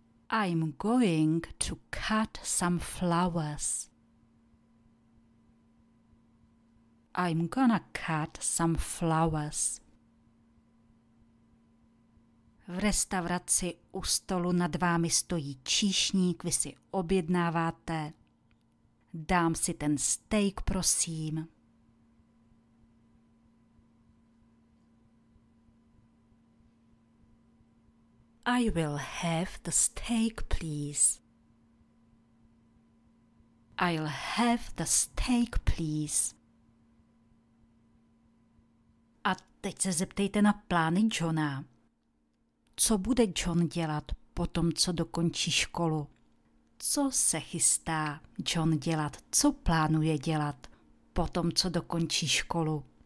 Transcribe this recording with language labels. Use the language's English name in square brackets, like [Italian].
[English] I'm going to cut some flowers. I'm gonna cut some flowers. [Czech] V restauraci u stolu nad vámi stojí číšník, vy si objednáváte. Dám si ten steak, prosím. [English] I will have the steak, please. I'll have the steak, please. [Czech] A teď se zeptejte na plány Johna. Co bude John dělat po tom, co dokončí školu? Co se chystá John dělat? Co plánuje dělat po tom, co dokončí školu?